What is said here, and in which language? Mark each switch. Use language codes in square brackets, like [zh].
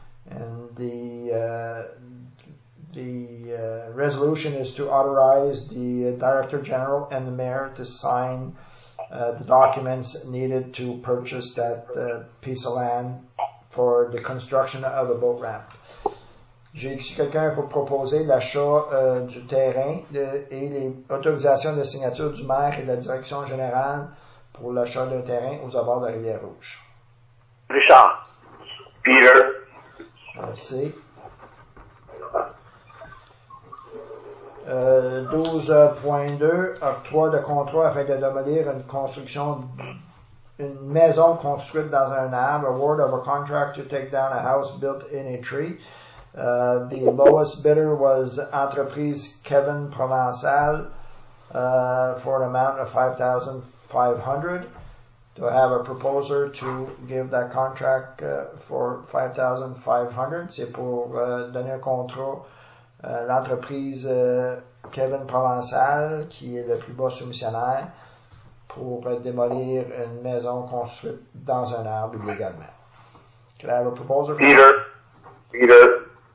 [en] And the resolution is to authorize the Director General and the Mayor to sign the documents needed to purchase that piece of land for the construction of a boat ramp. [fr] J'ai ici quelqu'un pour proposer l'achat du terrain et les autorisations de signature du maire et de la direction générale pour l'achat d'un terrain aux abords de la Rivière Rouge. Richard. Peter. Merci. 12.2, octroi de contrat afin de demolir une construction, une maison construite dans un arbre. [en] Award of a contract to take down a house built in a tree. The lowest bidder was Entreprise Kevin Provençal for an amount of $5,500. Do I have a proposer to give that contract for $5,500? [fr] C'est pour donner un contrat à l'entreprise Kevin Provençal, qui est le plus bas soumissionnaire, pour démolir une maison construite dans un arbre illégalement. [en] Can I have a proposer? Peter.